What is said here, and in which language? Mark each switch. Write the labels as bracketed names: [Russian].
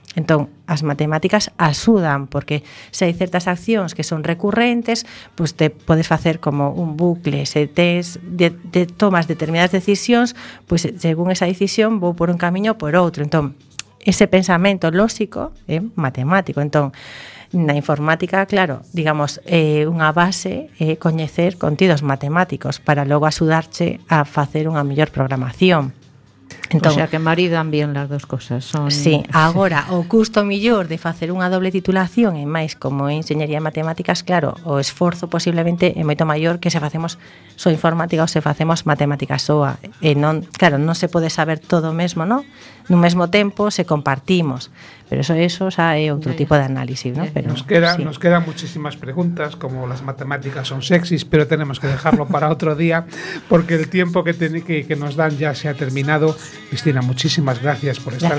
[Galician] Entón, as matemáticas axudan, porque se hai certas accións que son recurrentes, pues te podes facer como un bucle, se tes de tomas determinadas decisións, pues según esa decisión vou por un camiño ou por outro. Entón, ese pensamento lógico é matemático. Entón, na informática, claro, digamos, unha base é coñecer contidos matemáticos para logo axudarche a facer unha mellor programación. [Spanish] Entón, o sea que maridan bien las dos cosas. Son... [Galician] Sí, agora, o custo millor de facer unha doble titulación e máis como enseñaría matemáticas, claro, o esforzo posiblemente é moito maior que se facemos só informática ou se facemos matemáticas soa. E non, claro, non se pode saber todo mesmo, ¿no? Nun mesmo tempo se compartimos. Pero eso xa é outro tipo de análisis, ¿no? Pero, [Spanish] nos queda, sí, nos quedan muchísimas preguntas, como las matemáticas son sexys, pero tenemos que dejarlo para otro día, porque el tiempo que nos dan ya se ha terminado. Cristina, muchísimas gracias por estar